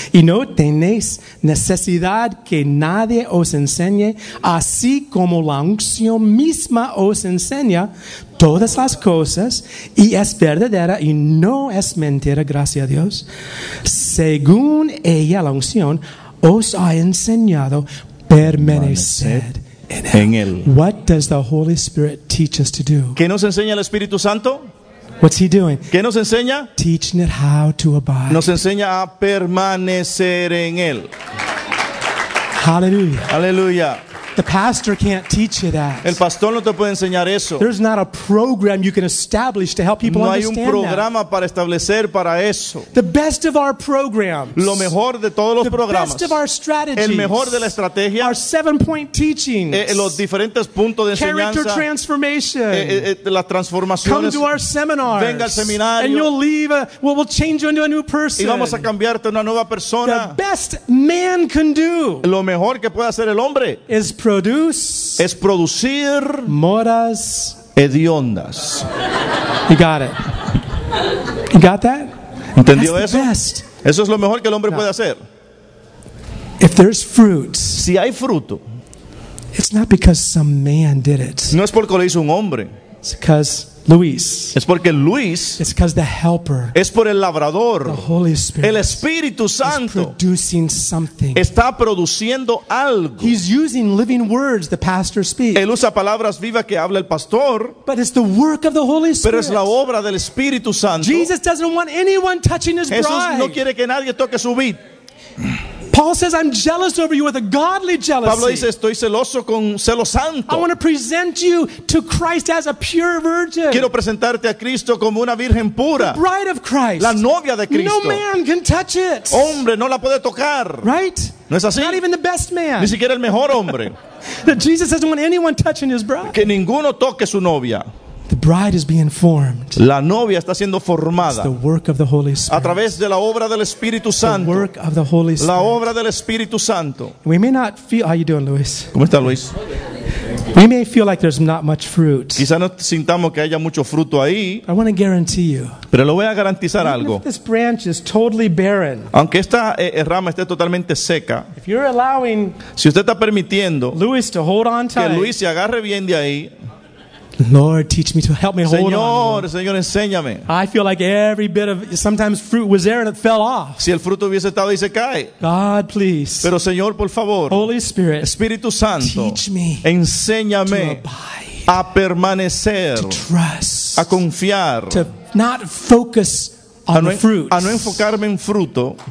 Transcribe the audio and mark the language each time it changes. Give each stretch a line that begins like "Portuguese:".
Spanish: Y no tenéis necesidad que nadie os enseñe, así como la unción misma os enseña todas las cosas, y es verdadera y no es mentira, gracias a Dios. Según ella, la unción, os ha enseñado permanecer en él.
English: What does the Holy Spirit teach us to do?
Spanish: ¿Qué nos enseña el Espíritu Santo?
English: What's he doing?
Spanish: ¿Qué nos enseña?
English: Teaching it how to abide.
Spanish: Nos enseña a permanecer en él.
English: Hallelujah. Hallelujah. The pastor can't teach you that.
Spanish: El pastor no te puede enseñar eso.
English: There's not a program you can establish to help people understand that.
Spanish: No hay un programa para establecer para eso.
English: The best of our programs.
Spanish: Lo mejor de todos los programas.
English: The best of our strategies.
Spanish: El mejor de la estrategia.
English: Our 7-point teachings.
Spanish: Los diferentes puntos de enseñanza.
English: Character transformation.
Spanish: Las transformaciones.
English: Come to our seminars.
Spanish: Venga al seminario.
English: And you'll leave. We'll change you into a new person.
Spanish: Y vamos a cambiarte a una nueva persona.
English: The best man can do.
Spanish: Lo mejor que puede hacer el hombre. Es producir moras hediondas.
English: You got it. You got that?
Spanish: ¿Entendió
English: That's
Spanish: eso?
English: The best.
Spanish: Eso es lo mejor que el hombre puede hacer.
English: If there's fruit,
Spanish: si hay fruto,
English: it's not because some man did it.
Spanish: No es porque lo hizo un hombre.
English: It's because Luis.
Spanish: Es porque Luis.
English: It's because the helper.
Spanish: Es por el labrador.
English: The Holy Spirit.
Spanish: El Espíritu Santo.
English: Is producing something.
Spanish: Está produciendo algo.
English: He's using living words the pastor speaks.
Spanish: Él usa palabras vivas que habla el pastor.
English: But it's the work of the Holy Spirit.
Spanish: Pero es la obra del Espíritu Santo.
English: Jesus doesn't want anyone touching his
Spanish: Jesús
English: bride.
Spanish: No quiere que nadie toque su vid.
English: Paul says, "I'm jealous over you with a godly jealousy."
Spanish: Pablo dice, "Estoy celoso con celo santo."
English: I want to present you to Christ as a pure virgin.
Spanish: Quiero presentarte a Cristo como una virgen pura.
English: The bride of Christ.
Spanish: La novia de Cristo.
English: No man can touch it.
Spanish: Hombre, no la puede tocar.
English: Right?
Spanish: No es así.
English: Not even the best man.
Spanish: Ni siquiera el mejor hombre.
English: That Jesus doesn't want anyone touching his bride.
Spanish: Que ninguno toque su novia.
English: The bride is being formed.
Spanish: La novia está siendo formada.
English: It's the work of the Holy Spirit.
Spanish: A través de la obra del Espíritu Santo.
English: The work of the Holy Spirit.
Spanish: La obra del Espíritu Santo.
English: We may not feel. How are you doing, Luis?
Spanish: ¿Cómo está, Luis?
English: We may feel like there's not much fruit.
Spanish: Quizá no sintamos que haya mucho fruto ahí.
English: I want to guarantee you.
Spanish: Pero lo voy a garantizar
English: even
Spanish: algo.
English: If this branch is totally barren.
Spanish: Aunque esta rama esté totalmente seca.
English: If you're allowing.
Spanish: Si usted está permitiendo.
English: Luis to hold on tight.
Spanish: Que Luis se agarre bien de ahí.
English: Lord, teach me to help me hold
Spanish: Señor,
English: on.
Spanish: Señor, enséñame.
English: I feel like every bit of sometimes fruit was there and it fell off.
Spanish: Si el fruto hubiese estado y se cae.
English: God, please.
Spanish: Pero Señor, por favor.
English: Holy Spirit.
Spanish: Espíritu Santo.
English: Teach me.
Spanish: Enséñame.
English: To abide,
Spanish: a permanecer.
English: To trust.
Spanish: A confiar.
English: To not focus on the fruit.
Spanish: A no enfocarme en fruto.